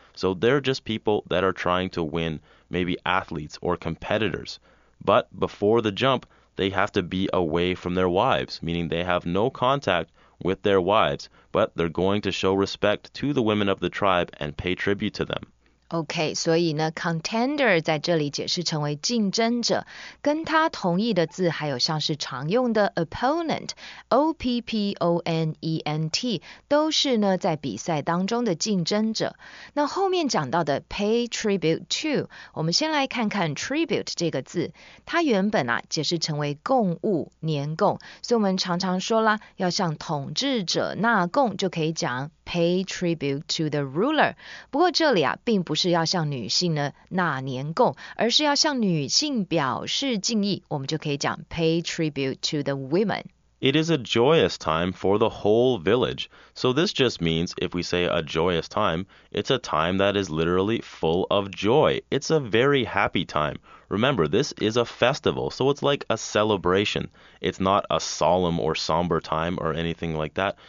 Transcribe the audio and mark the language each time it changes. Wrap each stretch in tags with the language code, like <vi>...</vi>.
<en>So they're just people that are trying to win, maybe athletes or competitors. But before the jump,They have to be away from their wives, meaning they have no contact with their wives, but they're going to show respect to the women of the tribe and pay tribute to them.</en> <zh>OK, 所以呢 contender 在这里解释成为竞争者。跟他同义的字还有像是常用的 opponent, O-P-P-O-N-E-N-T, 都是呢在比赛当中的竞争者。那后面讲到的 pay tribute to, 我们先来看看 tribute 这个字。它原本啊解释成为贡物年贡。所以我们常常说啦要向统治者纳贡就可以讲。</zh> <en>Pay tribute to the ruler.</en> <zh>不过这里啊，并不是要向女性呢纳年贡，而是要向女性表示敬意，我们就可以讲</zh> <en>pay tribute to the women. It is a joyous time for the whole village. So this just means if we say a joyous time, it's a time that is literally full of joy. It's a very happy time. Remember, this is a festival, so it's like a celebration. It's not a solemn or somber time or anything like that.</en>